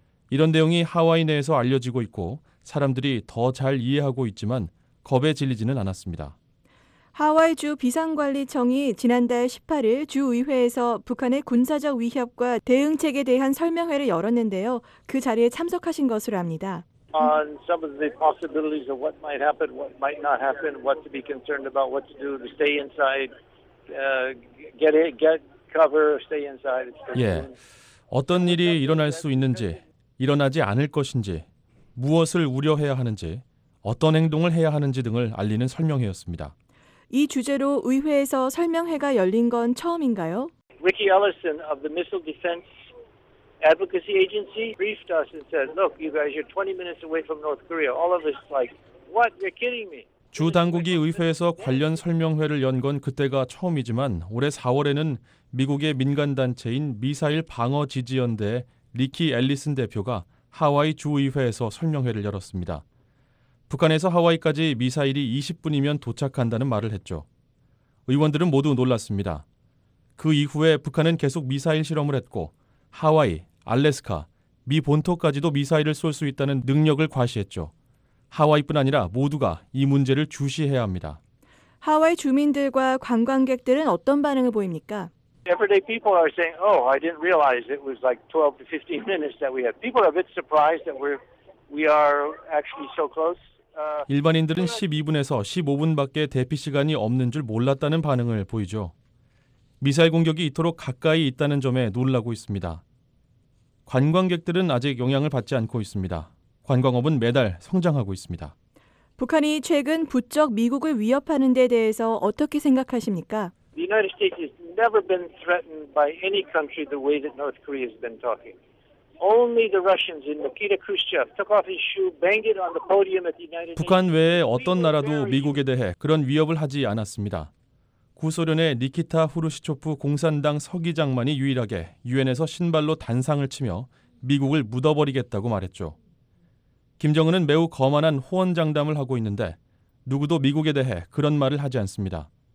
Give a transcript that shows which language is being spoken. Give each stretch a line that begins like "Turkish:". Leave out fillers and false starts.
Korean: 이런 내용이 하와이 내에서 알려지고 있고 사람들이 더 잘 이해하고 있지만 겁에 질리지는 않았습니다. 하와이 주 비상관리청이 지난달 18일 주의회에서 북한의 군사적 위협과 대응책에 대한 설명회를 열었는데요. 그 자리에 참석하신 것으로 압니다.
English: On some of the possibilities of what might happen, what might not happen, what to be concerned about, what to do, to stay inside, get cover, stay inside.
Korean: 예, 어떤 일이 일어날 수 있는지. 일어나지 않을 것인지, 무엇을 우려해야 하는지, 어떤 행동을 해야 하는지 등을 알리는 설명회였습니다. 이 주제로 의회에서 설명회가 열린 건 처음인가요?
English: Ricky Ellison of the Missile Defense Advocacy Agency briefed us and said, "Look, you guys, you're 20 minutes away from North Korea. All of us like, what? You're kidding me."
Korean: 주 당국이 의회에서 관련 설명회를 연 건 그때가 처음이지만 올해 4월에는 미국의 민간 단체인 미사일 방어 지지연대 리키 앨리슨 대표가 하와이 주의회에서 설명회를 열었습니다. 북한에서 하와이까지 미사일이 20분이면 도착한다는 말을 했죠. 의원들은 모두 놀랐습니다. 그 이후에 북한은 계속 미사일 실험을 했고 하와이, 알래스카, 미 본토까지도 미사일을 쏠 수 있다는 능력을 과시했죠. 하와이뿐 아니라 모두가 이 문제를 주시해야 합니다. 하와이 주민들과 관광객들은 어떤 반응을 보입니까?
English: Everyday people are saying, "Oh, I didn't realize it was like 12 to 15 minutes that we had." People are a bit surprised that we are actually so close.
Korean: 일반인들은 12분에서 15분밖에 대피 시간이 없는 줄 몰랐다는 반응을 보이죠. 미사일 공격이 이토록 가까이 있다는 점에 놀라고 있습니다. 관광객들은 아직 영향을 받지 않고 있습니다. 관광업은 매달 성장하고 있습니다. 북한이 최근 부쩍 미국을 위협하는 데 대해서 어떻게 생각하십니까?
English: The United States has never been threatened by any country the way that North Korea has been talking. Only the Russians in Nikita Khrushchev took off his shoe, banged it on the podium at the United States.
Korean: 북한 외에 어떤 나라도 미국에 대해 그런 위협을 하지 않았습니다. 구소련의 니키타 후르시초프 공산당 서기장만이 유일하게 유엔에서 신발로 단상을 치며 미국을 묻어버리겠다고 말했죠. 김정은은 매우 거만한 호언장담을 하고 있는데 누구도 미국에 대해 그런 말을 하지 않습니다.